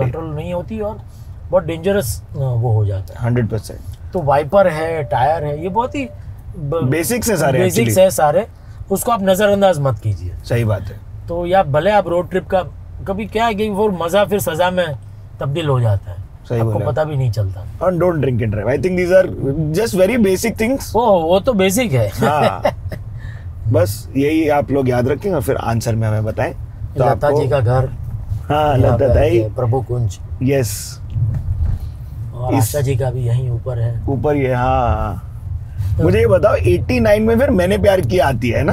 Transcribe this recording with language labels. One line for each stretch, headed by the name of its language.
Hindi: Control नहीं होती और बहुत डेंजरस वो हो जाता है 100%। तो वाइपर है, टायर है, ये बहुत ही बेसिक्स है सारे, बेसिक्स है सारे, उसको आप नजरअंदाज मत कीजिए। सही बात है। तो या भले आप रोड ट्रिप का कभी क्या है कि वो मजा फिर सजा में तब्दील हो जाता है, आपको पता भी नहीं चलता।
English: And don't drink and drive. I think these are just very basic things.
Hindi: ओ, वो तो basic है। हाँ। बस यही आप लोग याद रखें और फिर आंसर में हमें बताएं। तो लता जी का घर। हाँ, लता दाई। प्रभु कुंज।
English: Yes।
Hindi: और आशा जी का भी यही ऊपर है। ऊपर ये हाँ। तो मुझे ये बताओ 89 में फिर मैंने प्यार किया आती है ना?